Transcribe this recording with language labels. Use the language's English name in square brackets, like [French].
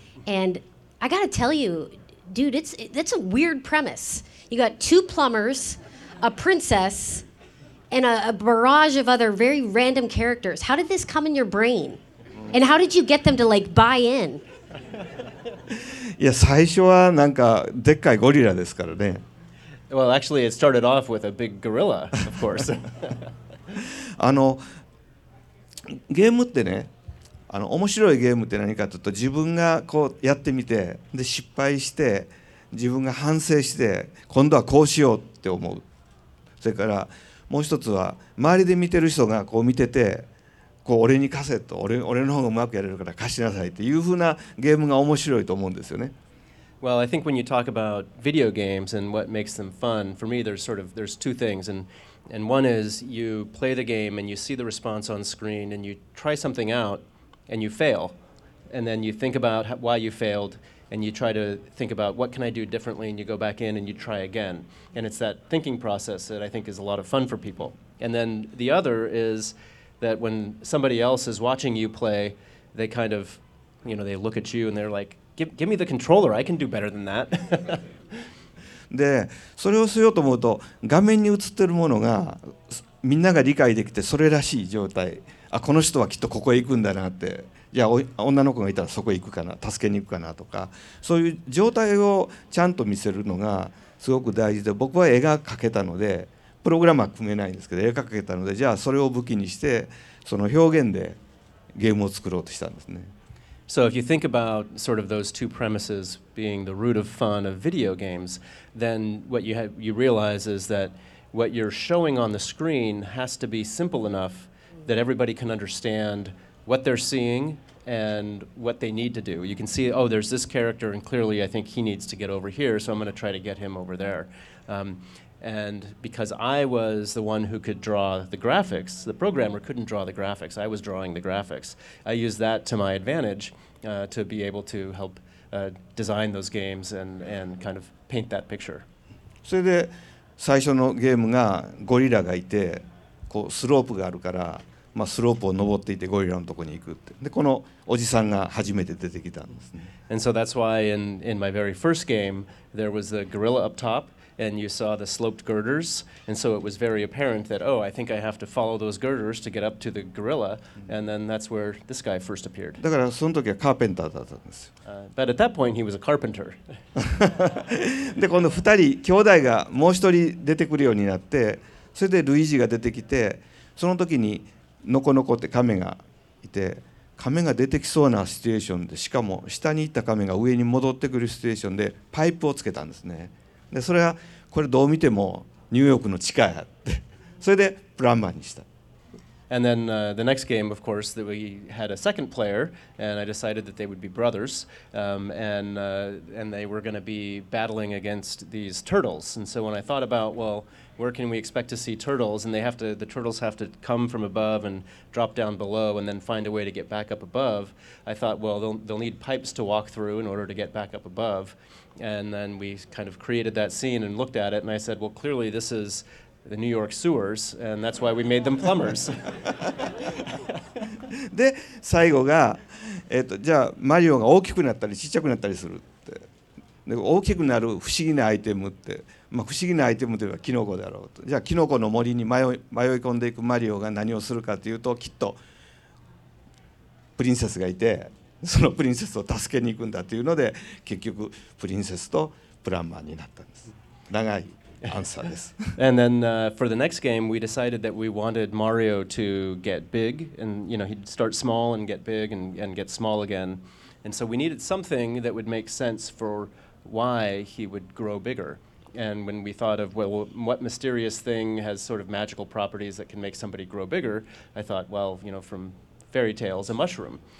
[English] And I gotta tell you, dude, that's a weird premise. You got two plumbers, a princess, and a barrage of other very random characters. How did this come in your brain? And how did you get them to like buy in? [Japanese] いや、最初はなんかでっかいゴリラですからね。 [English] Well, actually, it started off with a big gorilla, of course. [Japanese] あのゲームってね、あの面白いゲームって何かというと、自分がこうやってみて、で失敗して、自分が反省して、今度はこうしようって思う。それからもう一つは、周りで見てる人がこう見てて、こう俺に貸せと、俺の方がうまくやれるから貸しなさいっていうふうなゲームが面白いと思うんですよね。 [English] Well, I think when you talk about video games and what makes them fun, for me there's two things. And one is you play the game and you see the response on screen and you try something out and you fail. And then you think about why you failed and you try to think about what can I do differently and you go back in and you try again. And it's that thinking process that I think is a lot of fun for people. And then the other is that when somebody else is watching you play, they kind of, you know, they look at you and they're like, give me the controller, I can do better than that. [Japanese] で、それをしようと思うと、画面に映ってるものがみんなが理解できて、それらしい状態、あ、この人はきっとここへ行くんだなって、じゃあ女の子がいたらそこへ行くかな、助けに行くかなとか、そういう状態をちゃんと見せるのがすごく大事で、僕は絵が描けたので、プログラムは組めないんですけど、絵が描けたので、じゃあそれを武器にして、その表現でゲームを作ろうとしたんですね。 [English] So if you think about sort of those two premises being the root of fun of video games, then what you realize is that what you're showing on the screen has to be simple enough that everybody can understand what they're seeing and what they need to do. You can see, oh, there's this character, and clearly I think he needs to get over here, so I'm going to try to get him over there. And because I was the one who could draw the graphics, the programmer couldn't draw the graphics. I was drawing the graphics. I used that to my advantage to be able to help design those games and kind of paint that picture. [Japanese] それで最初のゲームがゴリラがいて、こうスロープがあるから、まあ、スロープを登っていてゴリラのとこに行くって。で、このおじさんが初めて出てきたんですね。 [English] And so that's why in my very first game, there was the gorilla up top. And you saw the sloped girders, and so it was very apparent that, oh, I think I have to follow those girders to get up to the gorilla, and then that's where this guy first appeared. [Japanese] だからその時はカーペンターだったんですよ。 [English] But at that point, he was a carpenter. [Japanese] で、この二人、兄弟がもう一人出てくるようになって、それでルイージが出てきて、その時にノコノコって亀がいて、亀が出てきそうなシチュエーションで、しかも下に行った亀が上に戻ってくるシチュエーションで、パイプをつけたんですね。でそれはこれどう見てもニューヨークの地下やってそれでプランマーにした。 [English] And then the next game, of course, that we had a second player, and I decided that they would be brothers, and they were going to be battling against these turtles. And so when I thought about, well, where can we expect to see turtles? And the turtles have to come from above and drop down below, and then find a way to get back up above. I thought, well, they'll need pipes to walk through in order to get back up above. And then we kind of created that scene and looked at it, and I said, well, clearly this is. The New York sewers, and that's why we made them plumbers. [Japanese] で、最後が、じゃあマリオが大きくなったり小さくなったりするって。で、大きくなる不思議なアイテムって、まあ、不思議なアイテムといえばキノコだろうと。じゃあキノコの森に迷い込んでいくマリオが何をするかというと、きっとプリンセスがいて、そのプリンセスを助けに行くんだというので、結局プリンセスとプランマーになったんです。長い。 [English] And then for the next game, we decided that we wanted Mario to get big, and you know, he'd start small and get big and get small again. And so we needed something that would make sense for why he would grow bigger. And when we thought of, well, what mysterious thing has sort of magical properties that can make somebody grow bigger, I thought, well, you know, from fairy tales, a mushroom.